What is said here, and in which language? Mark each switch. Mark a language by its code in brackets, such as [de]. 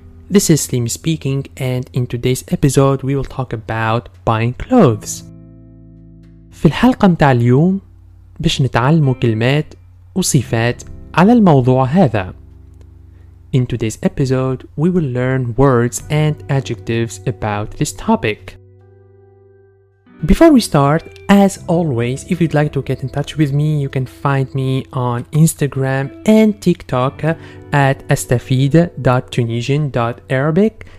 [en] This is Slim speaking, and in today's episode we will talk about buying clothes. [ar] في الحلقة متاع اليوم باش نتعلمو كلمات وصفات على الموضوع هذا. [en] In today's episode we will learn words and adjectives about this topic. Before we start, as always, if you'd like to get in touch with me, you can find me on Instagram and TikTok at astafid.tunisian.arabic.